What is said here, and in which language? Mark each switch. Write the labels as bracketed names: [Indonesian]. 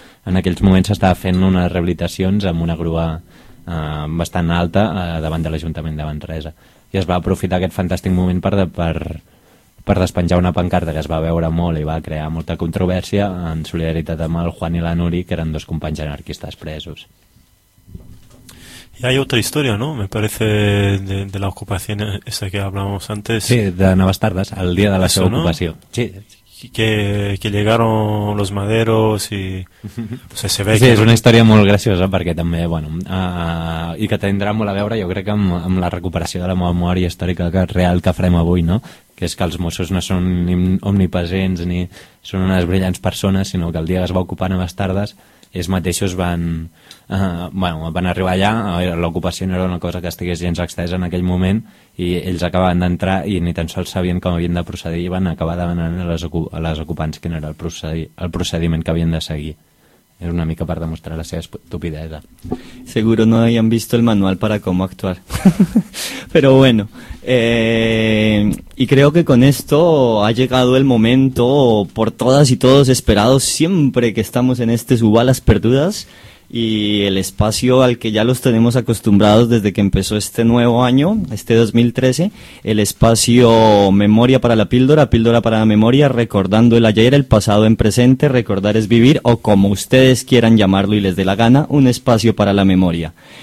[Catalan] En aquells moments s'estava fent unes rehabilitacions amb una grua bastant alta davant de l'Ajuntament de Manresa. I es va aprofitar aquest fantàstic moment per despenjar una pancarta que es va veure molt i va crear molta controvèrsia en solidaritat amb el Juan i la Nuri, que eren dos companys anarquistes presos. [Spanish] Y hay otra historia, ¿no? Me parece de la ocupación esa que hablábamos antes. Sí, de Noves Tardes, el día de [Catalan] la seva ocupació. [Spanish] ¿No? Sí. Que llegaron los maderos y o sea, se ve, sí, que [Catalan] és una història molt graciosa perquè també, bueno, i que tindrà molt a veure, jo crec, amb la recuperació de la memòria històrica real que farem avui, no? Que és que els Mossos no són omnipresents ni són unes brillants persones, sinó que el dia que es va ocupar Noves Tardes ells mateixos van, bueno, van arribar allà, l'ocupació no era una cosa que estigués gens extesa en aquell moment, i ells acabaven d'entrar i ni tan sols sabien com havien de procedir i van acabar demanant a les ocupants quin era el procediment que havien de seguir. Era una mica per demostrar la seva estupidesa. [Spanish] Seguro no habían visto el manual para cómo actuar. Pero bueno, y creo que con esto ha llegado el momento por todas y todos esperado siempre que estamos en este Su Balas Perdudas y el espacio al que ya los tenemos acostumbrados desde que empezó este nuevo año, este 2013, el espacio Memoria para la Píldora, Píldora para la Memoria, recordando el ayer, el pasado en presente, recordar es vivir, o como ustedes quieran llamarlo y les dé la gana, un espacio para la memoria.